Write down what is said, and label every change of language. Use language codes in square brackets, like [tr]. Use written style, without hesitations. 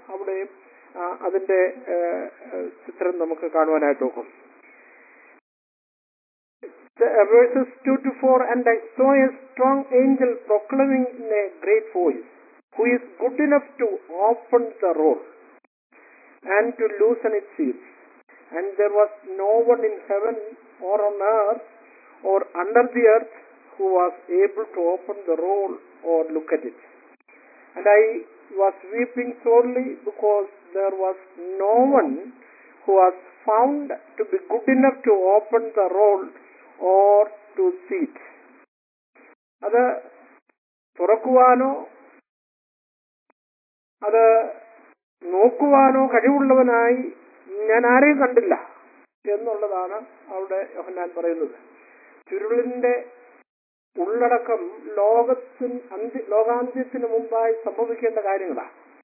[ml] അവിടെയും അതിന്റെ ചിത്രം നമുക്ക് കാണുവാനായിട്ട് നോക്കും. [en] Verses 2-4, and I saw a strong angel proclaiming in a great voice, who is good enough to open the roll and to loosen its seals. And there was no one in heaven or on earth or under the earth who was able to open the roll or look at it. And I was weeping sorely because there was no one who was found to be good enough to open the roll or to see it. [ml] അത് തുറക്കുവാനോ അത് നോക്കുവാനോ കഴിവുള്ളവനായി ഞാൻ ആരെയും കണ്ടില്ല എന്നുള്ളതാണ് അവിടെ യോഹന്നാൻ പറയുന്നത്. ചുരുളിന്റെ ഉള്ളടക്കം ലോകത്തിന് ലോകാന്ത്യത്തിന് മുമ്പായി സംഭവിക്കേണ്ട കാര്യങ്ങളാണ്.